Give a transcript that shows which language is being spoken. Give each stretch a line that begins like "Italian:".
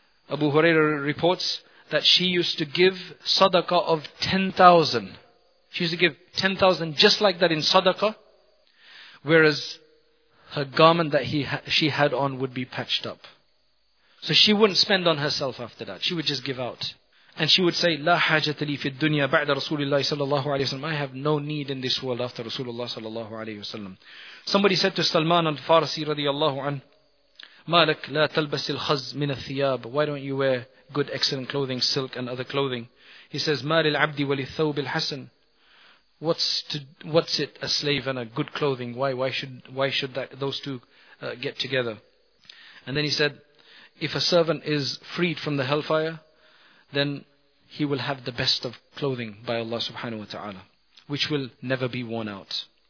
English: Abu Hurairah reports that she used to give sadaqah of 10,000. She used to give 10,000 just like that in sadaqah, whereas her garment that she had on would be patched up. So she wouldn't spend on herself after that. She would just give out. And she would say,
Arabic: لا حاجة لي في الدنيا بعد رسول الله صلى الله عليه وسلم.
English: I have no need in this world after Rasulullah صلى الله عليه وسلم. Somebody said to Salman al-Farsi رضي الله عنه,
Arabic: مالك لا تلبس الخز من الثياب.
English: Why don't you wear good, excellent clothing, silk and other clothing? He says,
Arabic: ما للعبد وللثوب الحسن.
English: What's it, a slave and a good clothing? Why should that, those two get together? And then he said, if a servant is freed from the hellfire, then he will have the best of clothing by Allah subhanahu wa ta'ala, which will never be worn out.